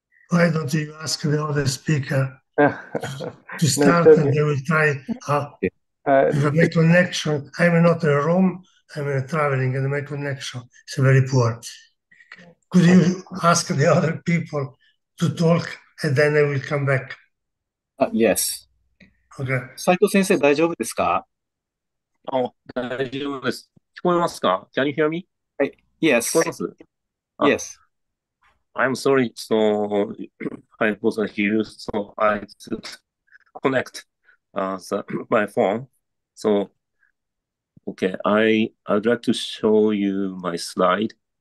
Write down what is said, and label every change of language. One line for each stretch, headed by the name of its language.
English: Why don't you ask the other speaker to start no, and they will try to make a connection. I'm not in a room, I'm traveling and my connection is very poor. Could you ask the other people to talk and then I will come back? Yes. Okay.
Japanese: Saito-sensei, 大丈夫ですか? Oh, 大丈夫です。聞こえますか?
English: Can you hear me? Yes. Yes. I'm sorry, so I wasn't here, so I could connect my phone. So, okay, I'd like to show you my slide.